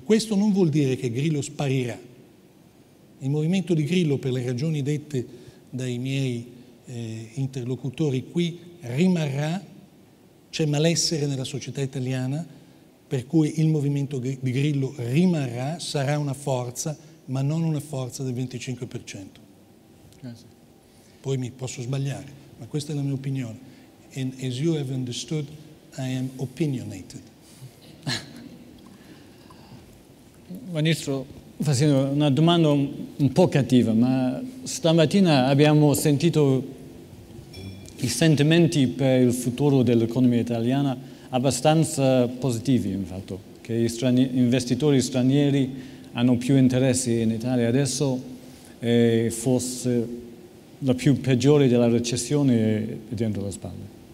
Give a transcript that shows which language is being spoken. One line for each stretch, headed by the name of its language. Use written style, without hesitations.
Italian: Questo non vuol dire che Grillo sparirà. Il movimento di Grillo, per le ragioni dette dai miei interlocutori qui, rimarrà. C'è malessere nella società italiana, per cui il movimento di Grillo rimarrà, sarà una forza, ma non una forza del 25%. Grazie. Poi mi posso sbagliare, ma questa è la mia opinione.
English: And as you have understood, I am opinionated.
Italian: Ministro, facendo una domanda un po' cattiva, ma stamattina abbiamo sentito i sentimenti per il futuro dell'economia italiana abbastanza positivi, infatti, che gli investitori stranieri hanno più interessi in Italia adesso e forse la più peggiore della recessione è dentro la spalla.